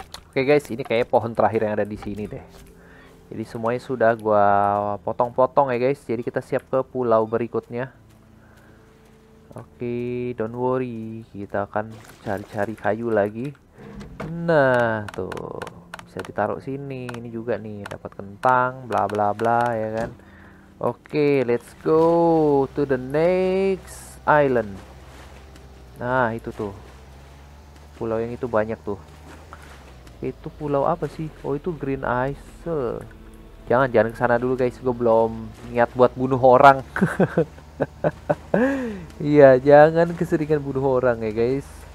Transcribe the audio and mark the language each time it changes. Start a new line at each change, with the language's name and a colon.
Indonesian: Oke, guys, ini kayaknya pohon terakhir yang ada di sini deh. Jadi semuanya sudah gua potong-potong ya, guys. Jadi kita siap ke pulau berikutnya. Oke,
English: don't worry.
Indonesian: Kita akan cari-cari kayu lagi. Nah, tuh. Bisa ditaruh sini. Ini juga nih, dapat kentang, bla bla bla ya kan.
English: Oke, let's go to the next island.
Indonesian: Nah, itu tuh. Pulau yang itu banyak tuh. Itu pulau apa sih? Oh, itu Green Isle. Jangan, jangan ke sana dulu, guys. Gue belum niat buat bunuh orang. Iya, jangan keseringan bunuh orang ya, guys.